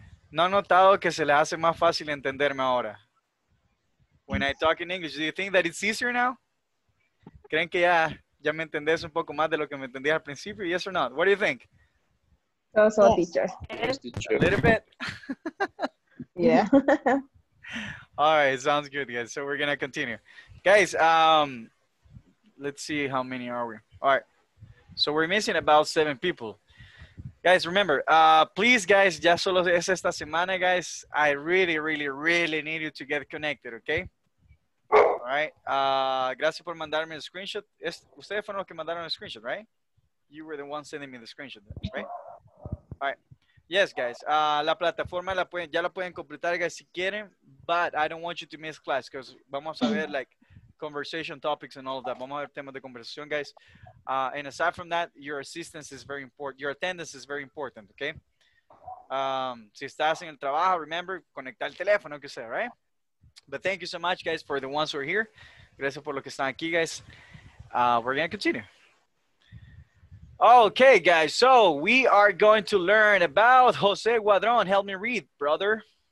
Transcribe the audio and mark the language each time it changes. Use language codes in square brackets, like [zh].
[es] ¿No han notado que se les hace más fácil entenderme ahora? [en] When I talk in English, do you think that it's easier now? [es] ¿Creen que ya me entendés un poco más de lo que me entendías al principio? [en] Yes or not? What do you think? So, teacher. Yes, teacher. A little bit? Yeah. All right, sounds good, guys. So we're going to continue. Guys, let's see how many are we. All right. So we're missing about 7 people. Guys, remember, please, guys, [es] ya solo es esta semana, [en] guys. I really, really, really need you to get connected, okay? [es] All right. Gracias por mandarme el screenshot. Ustedes fueron los que mandaron el screenshot, right? [en] You were the one sending me the screenshot, right? All right. Yes, guys. [es] La plataforma ya la pueden completar, guys, si quieren. [en] But I don't want you to miss class because [es] vamos a ver, [en] like, conversation topics and all of that. [es] Vamos a ver temas de conversación, [en] guys. And aside from that, your assistance is very important. Your attendance is very important, okay? [es] Si estás en el trabajo, remember, conectar el teléfono, que sea, right? [en] But thank you so much, guys, for the ones who are here. [es] Gracias por lo que están aquí, [en] guys. We're going to continue. Okay, guys, so we are going to learn about José Cuadrón. Help me read, brother.